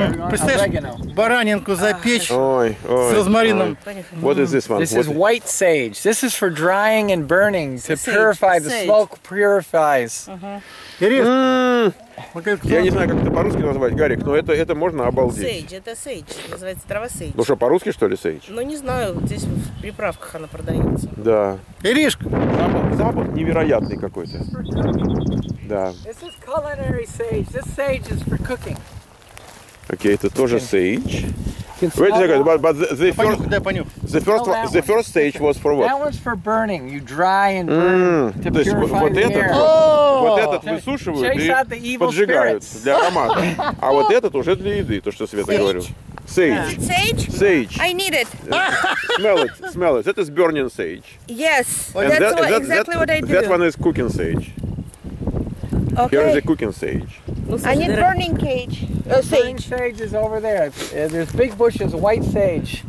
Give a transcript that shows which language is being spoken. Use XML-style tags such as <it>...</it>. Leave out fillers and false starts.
<ru>Представляешь, баранинку запечь с розмарином.</ru> <en>What is this one? This is white sage. This is for drying and burning to purify the smoke. Purifies.</en> <ru>Я не знаю, как это по-русски назвать, Гарик, но это можно обалдеть. Сейдж, это сейдж, называется трава сейдж. Ну что, по-русски, что ли, сейдж? Ну не знаю, здесь в приправках она продается. Да. Иришка! Запах невероятный какой-то. Да.</ru> <en>This is culinary sage. This sage is for cooking.</en> <ru>Окей, это тоже сейдж.</ru> <en>Wait a second, but the first...</en> <ru>Понюхай, дай понюхай.</ru> <en>The first stage was for what? That one's for burning. You dry and burn to purify the air.</en> <ru>Вот этот, вот этот высушивают и поджигают для аромата. А вот этот уже для еды, то, что Света говорил.</ru> <en>Sage. Sage? Sage. I need it. Smell it, smell it. That is burning sage. Yes, that's exactly what I do. That one is cooking sage. Okay. Here is the cooking sage. I need burning cage. The burning sage is over there. There's big bushes, white sage.</en>